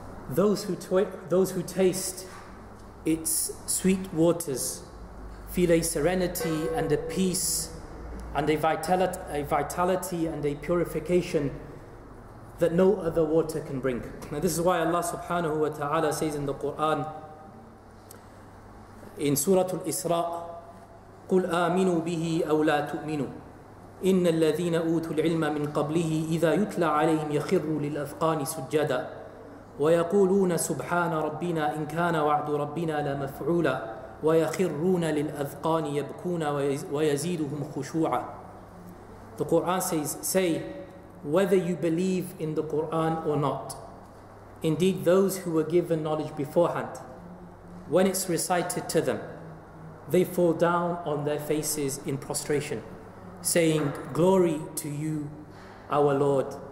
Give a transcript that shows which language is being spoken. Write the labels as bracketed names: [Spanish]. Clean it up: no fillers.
[English] Those who taste its sweet waters feel a serenity and a peace and a vitality and a purification that no other water can bring. Now, this is why Allah subhanahu wa ta'ala says in the Quran, in Surah Al-Isra, [Arabic] قُلْ آمِنُوا بِهِ أَوْ لَا تُؤْمِنُوا إِنَّ الَّذِينَ أُوتُوا الْعِلْمَ مِنْ قَبْلِهِ إِذَا يُتْلَى عَلَيْهِمْ يَخِرُّوا لِلْأَذْقَانِ سُجَّدًا وَيَقُولُونَ سُبْحَانَ رَبِّنَا إِنْ كَانَ وَعْدُ رَبِّنَا لَمَفْعُولًا وَيَخِرُّونَ لِلْأَذْقَانِ يَبْكُونَ وَيَزِيدُهُمْ خُشُوعًا. [English] The Quran says, say, whether you believe in the Quran or not, indeed those who were given knowledge beforehand, when it's recited to them, they fall down on their faces in prostration, saying, glory to you, our Lord.